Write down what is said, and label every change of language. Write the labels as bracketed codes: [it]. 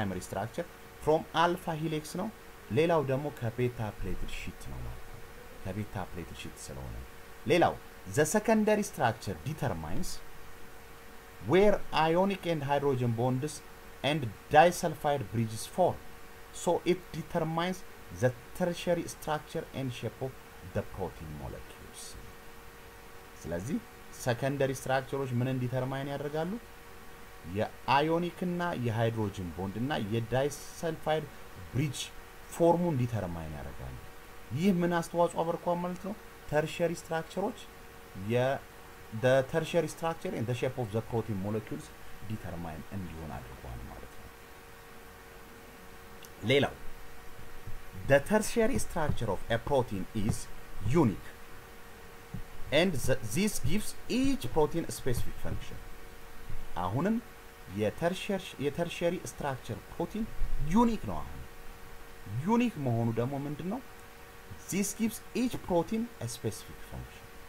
[en] structure from alpha helix [am] ነው። ሌላው ደግሞ ከbeta plate sheet ነው ማለት ነው። ከbeta plate sheet ስለሆነ ሌላው [en] the secondary structure determines where ionic and hydrogen bonds and disulfide bridges form, so it determines the tertiary structure and shape of the protein molecules. [am] ስለዚህ secondary structures ምን እንዲተርማይን ያደርጋሉ? የአዮኒክ እና የሃይድሮጅን ቦንድ እና የዳይሰልፋይድ ብሪጅ ፎርሙን እንዲተርማይን ያደርጋሉ። ይህ ምን አስተዋጽኦ አበርኳ ማለት ነው? [en] tertiary structures the tertiary structure and the shape of the protein molecules determine [am] እንዲሆን አድርጓል ማለት ነው። ሌላው [en] the tertiary structure of a protein is unique and this gives each protein a specific function. [am] አሁንም የtertiary structure protein unique ነው። አሁን unique መሆኑ ደግሞ ምንድነው? [en] This gives each protein a specific function.